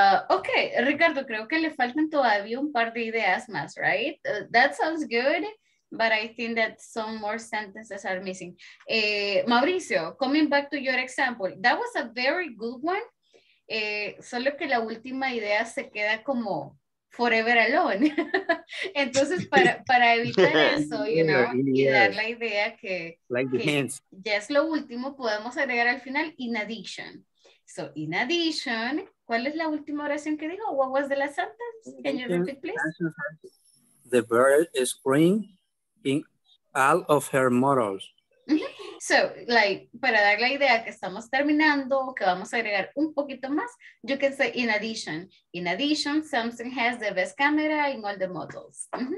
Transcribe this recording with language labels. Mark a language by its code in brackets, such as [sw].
[es] Okay, Ricardo, creo que le faltan todavía un par de ideas más, right? [en] That sounds good. But I think that some more sentences are missing. Mauricio, coming back to your example, that was a very good one. [es] Solo que la última idea se queda como [en] forever alone. [es] Entonces, para evitar eso, [en] you know, [es] y dar la idea que, [en] like the hands, [es] ya es lo último, podemos agregar al final, in addition. [en] So, in addition, [es] ¿cuál es la última oración que dijo? [en] What was the last sentence? Can you repeat, please? The bird is spring in all of her models. So, like, [es] para dar la idea que estamos terminando, que vamos a agregar un poquito más, [en] you can say in addition. In addition, Samsung has the best camera in all the models.